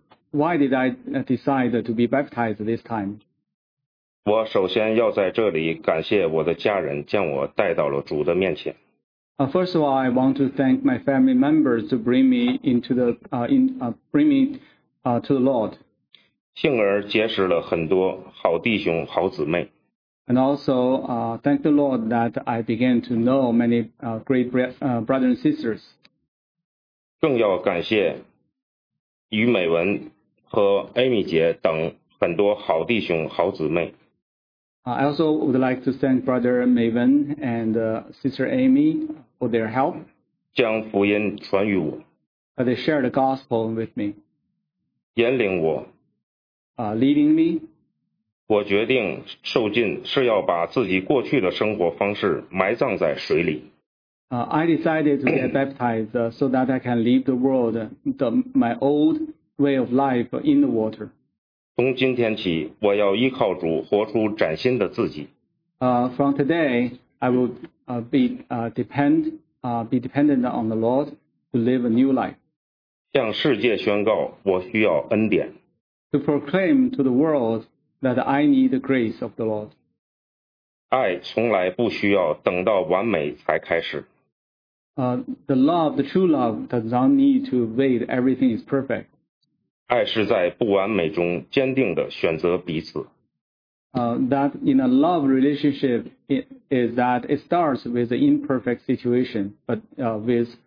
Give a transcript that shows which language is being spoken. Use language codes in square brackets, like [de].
[en] Why did I decide to be baptized this time? [zh] 我首先要在这里感谢我的家人将我带到了主的面前。 [en] First of all, I want to thank my family members to bring me into the to the Lord. [zh] 幸而结识了很多好弟兄、好姊妹。 [en] And also, thank the Lord that I began to know many great brothers and sisters. [zh] 更要感谢于美文和 Amy 姐等很多好弟兄、好姊妹。 [en] I also would like to thank Brother Maven and Sister Amy for their help. [zh] 将福音传与我。 [en] They shared the gospel with me. [zh] 引领我。 [en] Leading me. [zh] 我决定受浸是要把自己过去的生活方式埋葬在水里。 [en] I decided to get baptized so that I can leave the world, my old way of life in the water. [zh] 从今天起，我要依靠主，活出崭新的自己。 [en] From today, I will be dependent on the Lord to live a new life. [zh] 向世界宣告，我需要恩典。 [en] To proclaim to the world that I need the grace of the Lord. [zh] 爱从来不需要等到完美才开始。 [en] The love, the true love, does not need to wait. Everything is perfect. [zh] 爱是在不完美中坚定地选择彼此。 [en] That in a love relationship, it starts with the imperfect situation, but with